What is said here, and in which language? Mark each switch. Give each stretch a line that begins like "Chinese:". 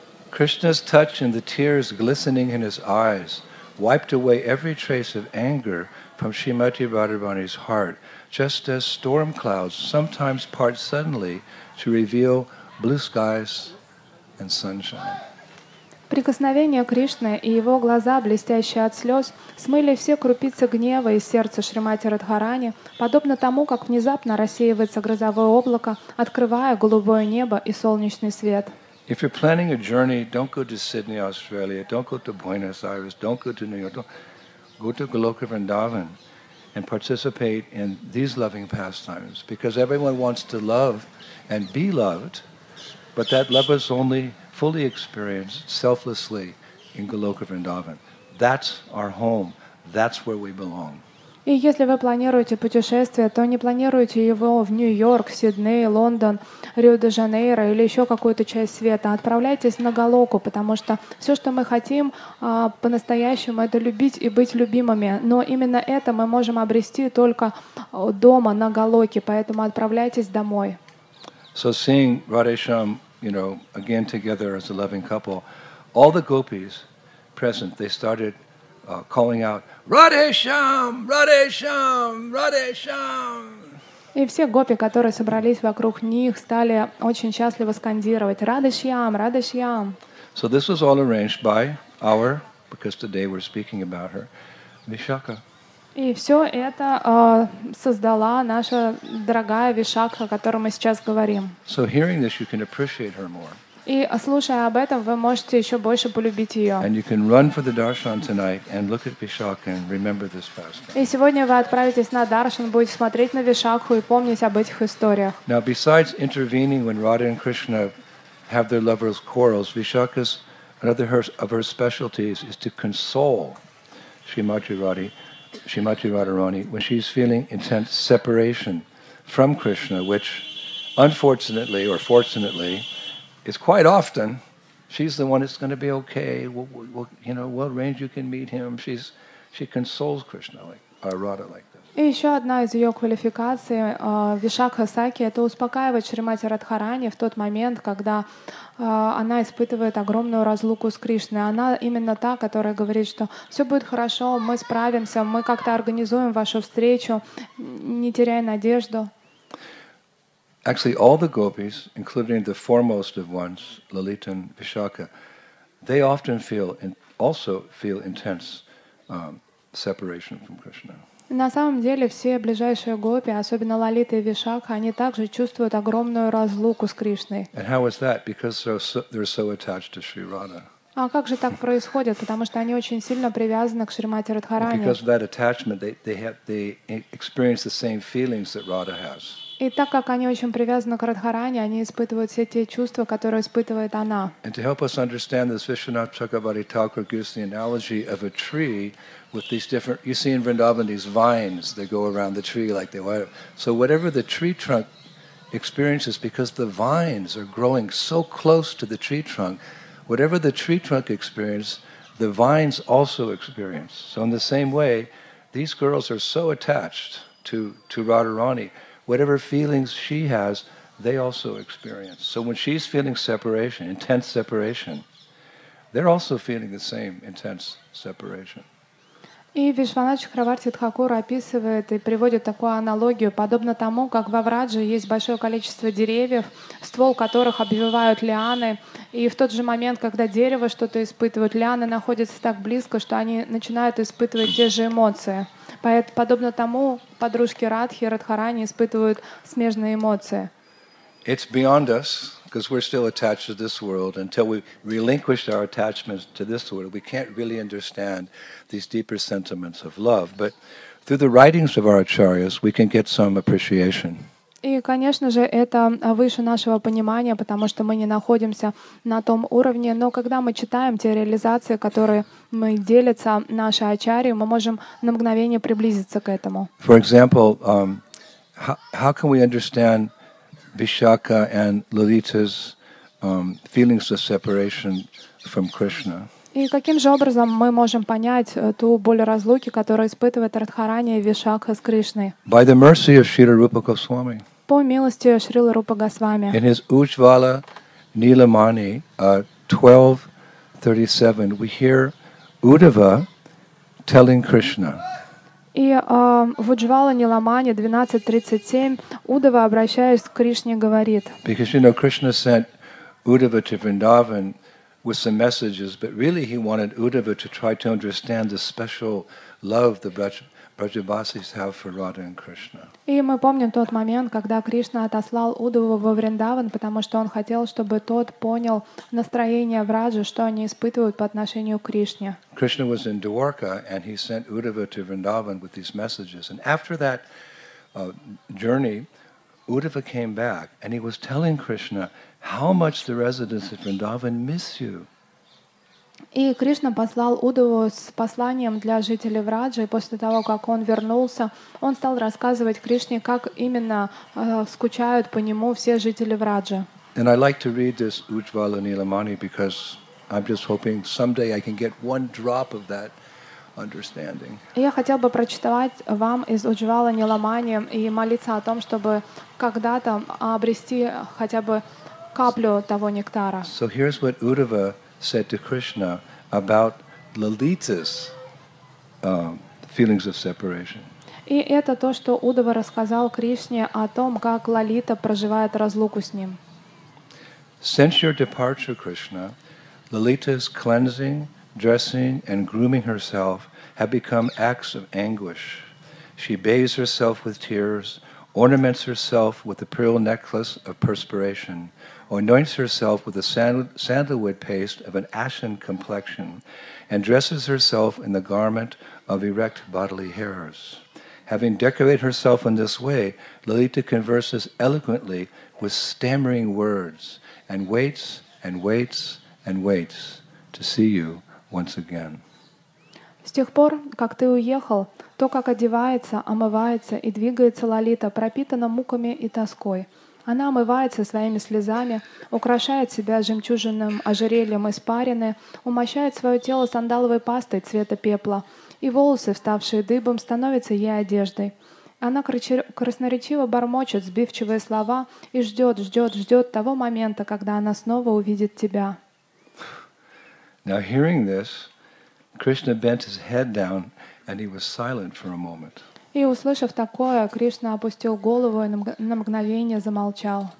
English: Krishna's touch and the tears glistening in his eyes wiped away every trace of anger from Shrimati Radharani's heart, just as storm clouds sometimes part suddenly to reveal blue skies and sunshine.
Russian: Прикосновение Кришны и его глаза, блестящие от слез, смыли все крупицы гнева из сердца Шримати Радхарани, подобно тому, как внезапно рассеивается грозовое облако, открывая голубое небо и солнечный свет.
English: If you're planning a journey, don't go to Sydney, Australia, don't go to Buenos Aires, don't go to New York, go to Goloka Vrindavan and participate in these loving pastimes, because everyone wants to love and be loved, but that love is only fully experienced selflessly in Goloka Vrindavan. That's our home. That's where we belong.
Russian: И если вы планируете путешествие, то не планируйте его в Нью-Йорк, Сидней, Лондон, Рио-де-Жанейро или еще какую-то часть света. Отправляйтесь на Голоку, потому что все, что мы хотим по-настоящему, это любить и быть любимыми. Но именно это мы можем обрести только дома, на Голоке. Поэтому отправляйтесь домой.
English: So seeing Radhesham, you know, again together as a loving couple, all the gopis present, they started calling out, Radhesham, Radhesham, Radhesham.
Russian: И все гопи, которые собрались вокруг них, стали очень счастливо скандировать Радхешьям, Радхешьям.
English: So this was all arranged by our, because today we're speaking about her, Vishakha.
Russian: И все это создала наша дорогая Вишакха, о которой мы сейчас говорим.
English: So hearing this, you can appreciate her more.
Russian: И слушая об этом, вы можете еще больше полюбить ее.
English: And you can run for the darshan tonight and look at Vishakha and remember this past.
Russian: И сегодня вы отправитесь на даршан, будете смотреть на Вишакху и помнить об этих историях.
English: Now, besides intervening when Radha and Krishna have their lovers' quarrels, Vishakha's another of her specialties is to console Srimati Radharani when she's feeling intense separation from Krishna, which unfortunately or fortunately is quite often she's the one that's going to be okay. We'll, you know, we'll arrange, you can meet him. She consoles Krishna like Radha like this.
Russian: И еще одна из ее квалификаций Вишакха Сакхи — это успокаивать Шримати Радхарани в тот момент, когда она испытывает огромную разлуку с Кришной. Она именно та, которая говорит, что все будет хорошо, мы справимся, мы как-то организуем вашу встречу, не теряя надежду.
English: Actually, all the gopis, including the foremost of ones, Lalita and Vishakha, they often feel intense separation from Krishna.
Russian: На самом деле, все ближайшие гопи, особенно Лалита и Вишакха, они также чувствуют огромную разлуку с Кришной.
English: And how is that? Because they're so attached to Sri Radha.
Russian: А как же так происходит? Потому что они очень сильно привязаны к Шримати Радхарани.
English: And because of that attachment, they experience the same feelings that Radha has.
Russian: И так как они очень привязаны к Радхарани, они испытывают все те чувства, которые испытывает она.
English: And to help us understand this, Vishwanath Chakravarti Thakur gives the analogy of a tree with these different. You see in Vrindavan these vines that go around the tree like they were. So whatever the tree trunk experiences, because the vines are growing so close to the tree trunk, whatever the tree trunk experiences, the vines also experience. So in the same way, these girls are so attached to Radharani. Whatever feelings she has, they also experience. So when she's feeling separation, intense separation, they're also feeling the same intense separation.
Russian: И Вишванат Чакраварти Тхакур описывает и приводит такую аналогию. Подобно тому, как во Врадже есть большое количество деревьев, ствол которых обвивают лианы, и в тот же момент, когда дерево что-то испытывает, лианы находятся так близко, что они начинают испытывать те же эмоции. Подобно тому, подружки Радхи и Радхарани испытывают смежные эмоции.
English: It's beyond us, because we're still attached to this world. Until we relinquish our attachments to this world, we can't really understand these deeper sentiments of love. But through the writings of our acharyas, we can get some appreciation.
Russian: И, конечно же, это выше нашего понимания, потому что мы не находимся на том уровне. Но когда мы читаем те реализации, которые мы делятся наши ачарьи, мы можем на мгновение приблизиться к этому.
English: For example, how can we understand Vishakha and Lalita's feelings of separation from Krishna?
Russian: И каким же образом мы можем понять ту боль разлуки, которую испытывает Радхарани и Вишакха с Кришной?
English: By the mercy of Shri Rupa Goswami.
Russian: По милости Шрилы Рупа Госвами.
English: In his Ujjvala Nilamani 12:37, we hear Uddhava telling Krishna.
Russian: И в Ujjvala Nilamani 12:37 Удава, обращаясь к Кришне, говорит.
English: Because, you know, Krishna sent Uddhava to Vrindavan with some messages, but really he wanted Uddhava to try to understand the special love the Brajavasis have for Radha and Krishna.
Russian: И мы помним тот момент, когда Кришна отослал Удаву во Вриндаван, потому что он хотел, чтобы тот понял настроение Враджи, что они испытывают по отношению к Кришне.
English: Krishna was in Dwarka, and he sent Udava to Vrindavan with these messages. And after that journey, Udava came back, and he was telling Krishna how much the residents of Vrindavan miss you.
Russian: И Кришна послал Удаву с посланием для жителей Враджи, и после того, как он вернулся, он стал рассказывать Кришне, как именно скучают по нему все жители Враджи.
English: And I like to read this Ujjvala Nilamani because I'm just hoping someday I can get one drop of that. Understanding.
Russian: Я хотел бы прочитать вам из Ujjvala Nilamani и молиться о том, чтобы когда-то обрести хотя бы каплю того нектара.
English: So here's what Uddhava said to Krishna about Lalita's feelings of separation.
Russian: И это то, что Uddhava рассказал Кришне о том, как Лалита проживает разлуку с ним.
English: Since your departure, Krishna, Lalita's cleansing, dressing and grooming herself have become acts of anguish. She bathes herself with tears, ornaments herself with a pearl necklace of perspiration, anoints herself with a sandalwood paste of an ashen complexion, and dresses herself in the garment of erect bodily hairs. Having decorated herself in this way, Lalita converses eloquently with stammering words and waits and waits and waits to see you once again.
Russian: С тех пор, как ты уехал, то, как одевается, омывается и двигается Лалита, пропитана муками и тоской. Она омывается своими слезами, украшает себя жемчужным ожерельем испарины, умощает свое тело сандаловой пастой цвета пепла, и волосы, вставшие дыбом, становятся ей одеждой. Она красноречиво бормочет сбивчивые слова и ждет, ждет, ждет того момента, когда она снова увидит тебя.
English: Now hearing this, Krishna bent his head down, and he was silent for a moment.
Russian: И услышав такое, Кришна опустил голову и на мгновение замолчал.